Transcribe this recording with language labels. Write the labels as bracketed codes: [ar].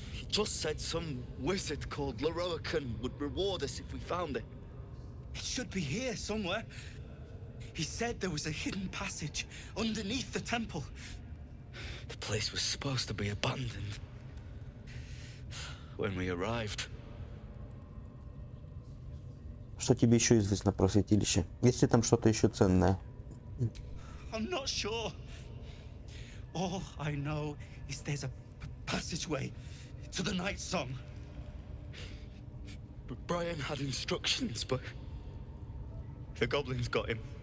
[en] Just said some wizard called Loroican would reward us if we found it. It should be here somewhere. He said there was a hidden passage underneath the temple. The place was supposed to be abandoned when we arrived. [ru] Что тебе еще известно про святилище? Есть ли там что-то еще ценное? [en] I'm not sure. All I know is there's a passageway to the Night Song. Brian had instructions, but the goblins got him.